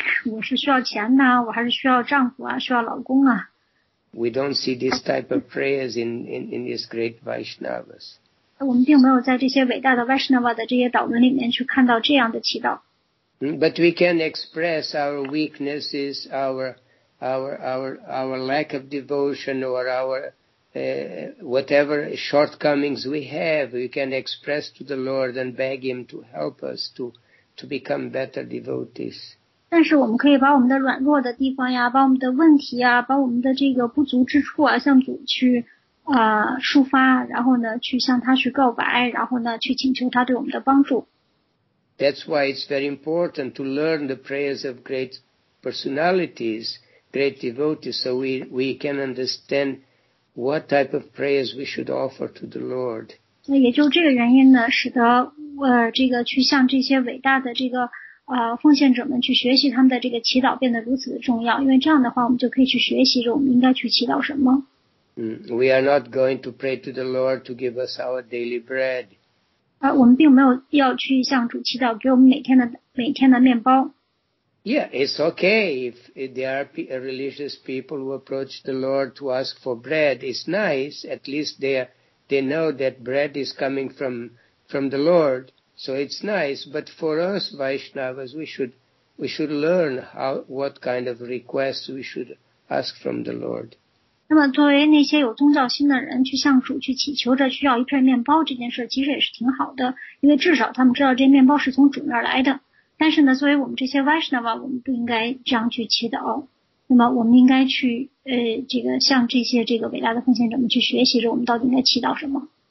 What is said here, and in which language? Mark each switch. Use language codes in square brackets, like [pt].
[zh] 我是需要钱呐，我还是需要丈夫啊，需要老公啊。 [en] We don't see this type of prayers in these great Vaishnavas. [zh] 我们并没有在这些伟大的 Vaishnava 的这些祷文里面去看到这样的祈祷。 [en] But we can express our weaknesses, our lack of devotion, or our whatever shortcomings we have, we can express to the Lord and beg Him to help us to become better devotees. [zh] 但是我们可以把我们的软弱的地方呀，把我们的问题呀，把我们的这个不足之处啊，向主去抒发，然后呢，去向他去告白，然后呢，去请求他对我们的帮助。 [en] That's why it's very important to learn the prayers of great personalities, great devotees, so we can understand. What type of prayers we should offer to the Lord? [zh] 那也就这个原因呢，使得这个去向这些伟大的这个奉献者们去学习他们的这个祈祷变得如此的重要。因为这样的话，我们就可以去学习着我们应该去祈祷什么。 [en] We are not going to pray to the Lord to give us our daily bread. [zh] 我们并没有要去向主祈祷给我们每天的面包。 [en] Yeah, it's okay if there are religious people who approach the Lord to ask for bread. It's nice. At least they know that bread is coming from the Lord. So it's nice. But for us Vaishnavas, we should learn what kind of requests we should ask from the Lord. [zh] 那么作为那些有宗教心的人去向主去祈求着需要一片面包这件事其实也是挺好的因为至少他们知道这面包是从主那儿来的。但是呢，作为我们这些 Vaishnava， 我们不应该这样去祈祷。那么，我们应该去这个向这些这个伟大的奉献者们去学习着，我们到底应该祈祷什么